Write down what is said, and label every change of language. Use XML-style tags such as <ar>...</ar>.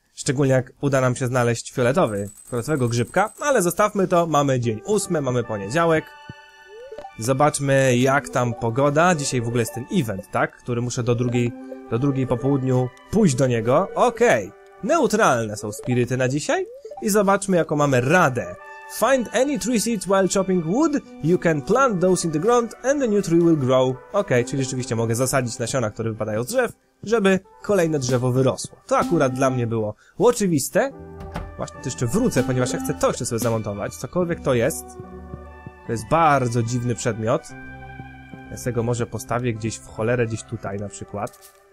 <pl>Szczególnie jak uda nam się znaleźć fioletowego grzybka, ale zostawmy to, mamy dzień ósmy, mamy poniedziałek. Zobaczmy, jak tam pogoda. Dzisiaj w ogóle jest ten event, tak? Który muszę do drugiej po południu pójść do niego. Okej. Okay. Neutralne są spiryty na dzisiaj. I zobaczmy, jaką mamy radę.</pl> <en>Find any tree seeds while chopping wood. You can plant those in the ground and the new tree will grow.</en> <pl>Okej, okay, czyli rzeczywiście mogę zasadzić nasiona, które wypadają z drzew, żeby kolejne drzewo wyrosło. To akurat dla mnie było oczywiste. Właśnie to jeszcze wrócę, ponieważ ja chcę to jeszcze sobie zamontować. Cokolwiek to jest. To jest bardzo dziwny przedmiot. Ja sobie go może postawię gdzieś w cholerę, gdzieś tutaj na przykład.</pl>